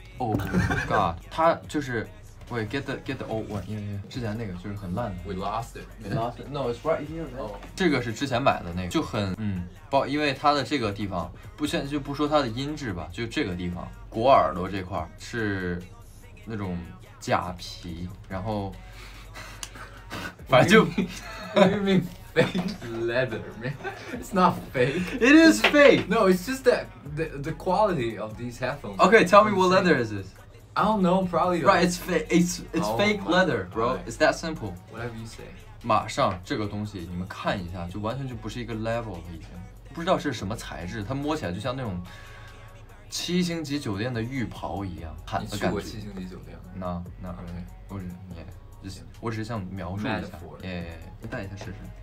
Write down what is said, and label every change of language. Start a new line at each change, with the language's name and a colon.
English: Oh God，
Chinese: 它就是
English: ，Wait， get the old one，
Chinese: 因为之前那个就是很烂的。
English: We lost it， No， it's right here， man、oh.。
Chinese: 这个是之前买的那个，就很不，因为它的这个地方，不先就不说它的音质吧，就这个地方，果耳朵这块是那种假皮，然后。反正就
English: you mean fake leather, man? It's not fake. It is fake. No, it's just that the quality of these headphones. Okay, tell me what leather is this? I don't know, probably. Right, it's fake leather, bro. Right. It's that simple. Whatever you say.
Chinese: 马上这个东西你们看一下，就完全就不是一个 level 了，已经不知道是什么材质，它摸起来就像那种七星级酒店的浴袍一样，你去过七星级酒店吗？那那不是你。我只是想描述一下，你戴一下试试。